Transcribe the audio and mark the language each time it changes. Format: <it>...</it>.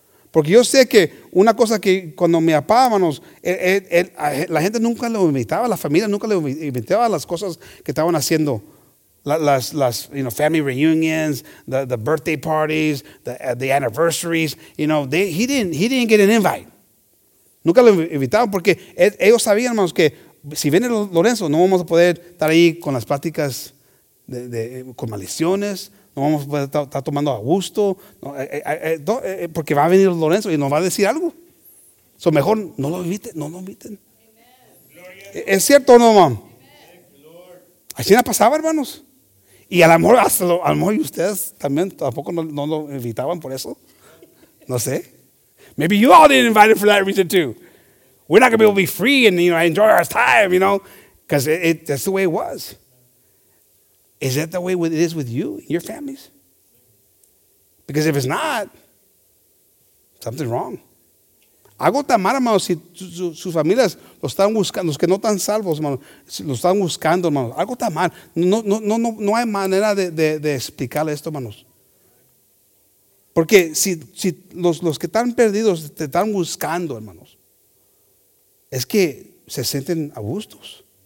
<es>Porque yo sé que una cosa que cuando mi papá, manos, la gente nunca lo invitaba, la familia nunca le invitaba las cosas que estaban haciendo.</es> <en>Las you know, family reunions, the birthday parties, the anniversaries, you know, he didn't get an invite.</en> <es>Nunca lo invitaban porque ellos sabían, hermanos, que si viene Lorenzo, no vamos a poder estar ahí con las pláticas de con maldiciones, no vamos a poder estar tomando a gusto, porque va a venir Lorenzo y nos va a decir algo. So mejor no lo inviten. Amen. ¿Es cierto o no, mam? Así no pasaba, hermanos. Y a lo mejor, y ustedes también, tampoco no lo invitaban por eso. No sé.</es> <en>Maybe you all didn't invite him for that reason too. We're not going to be able to be free and, you know, enjoy our time, you know, because that's the way it was. Is that the way it is with you, your families? Because if it's not, something's wrong.</en> <es>Algo está mal, hermano, si sus familias lo están buscando, los que no están salvos, hermano, lo están buscando, hermano. Algo está mal. No hay manera de explicarle esto, hermanos. Porque si los que están perdidos te están buscando, hermanos, es que se sienten a gustos.</es>